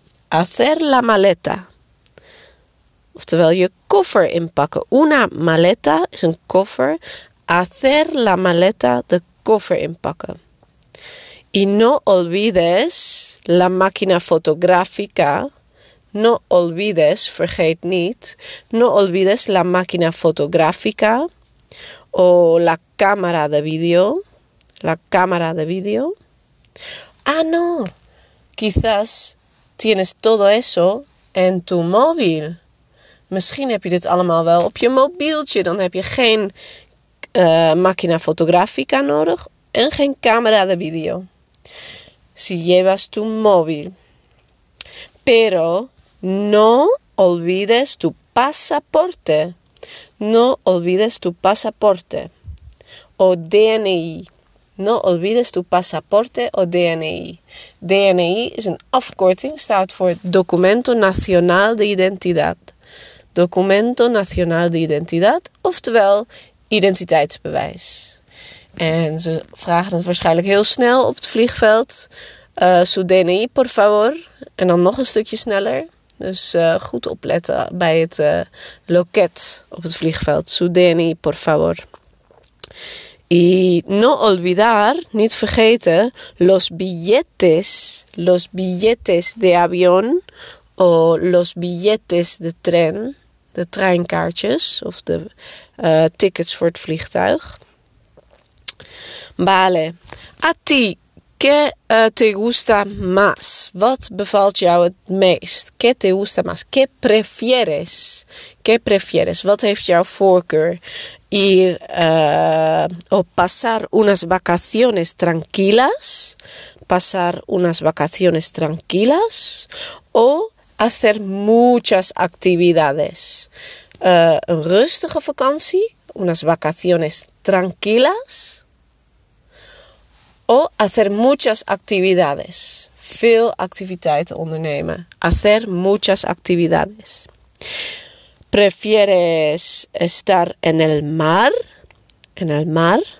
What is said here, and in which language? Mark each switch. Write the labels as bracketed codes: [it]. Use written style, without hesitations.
[es] Hacer la maleta. [nl] Oftewel, je koffer inpakken. Una maleta is een koffer. [es] Hacer la maleta, [nl] de koffer inpakken. [es] Y no olvides la máquina fotográfica. No olvides, [nl] vergeet niet. [es] No olvides la máquina fotográfica. O la cámara de video. La cámara de video. Ah, no. Quizás tienes todo eso en tu móvil. [nl] Misschien heb je dit allemaal wel op je mobieltje. Dan heb je geen máquina fotográfica nodig en geen camera de video. [es] Si llevas tu móvil. Pero no olvides tu pasaporte. No olvides tu pasaporte. O DNI. No olvides tu pasaporte o DNI. [nl] DNI is een afkorting, staat voor Documento Nacional de Identidad. [es] Documento Nacional de Identidad, [nl] oftewel identiteitsbewijs. En ze vragen het waarschijnlijk heel snel op het vliegveld. [es] Su DNI, por favor. [nl] En dan nog een stukje sneller. Dus goed opletten bij het loket op het vliegveld. [es] Su DNI, por favor. Y no olvidar, [nl] niet vergeten, [es] los billetes de avión o los billetes de tren. [nl] De treinkaartjes of de tickets voor het vliegtuig. Vale. [es] A ti, ¿qué te gusta más? [nl] Wat bevalt jou het meest? [es] ¿Qué te gusta más? ¿Qué prefieres? ¿Qué prefieres? [nl] Wat heeft jouw voorkeur? [es] Ir o pasar unas vacaciones tranquilas. Pasar unas vacaciones tranquilas. O hacer muchas actividades. [nl] Een rustige vakantie. [es] Unas vacaciones tranquilas. O hacer muchas actividades. [nl] Veel activiteiten ondernemen. [es] Hacer muchas actividades. ¿Prefieres estar en el mar? En el mar.